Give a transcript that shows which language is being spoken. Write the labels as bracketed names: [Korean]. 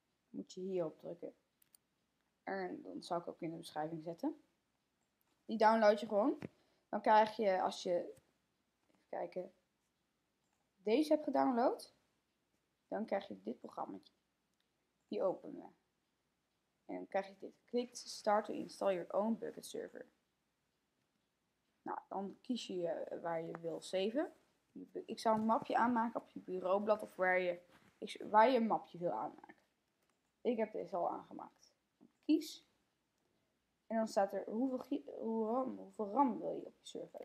[Dutch] Moet je hier op drukken. En dan zal ik ook in de beschrijving zetten. Die download je gewoon. Dan krijg je, als je, even kijken, deze hebt gedownload. Dan krijg je dit programmaatje. Die openen we. En dan krijg je dit. [English] Klik start to install your own bucket server. [Dutch] Nou, dan kies je waar je wil saven. Ik zal een mapje aanmaken op je bureaublad of waar je een mapje wil aanmaken. Ik heb deze al aangemaakt. Kies. En dan staat er hoeveel RAM wil je op je server.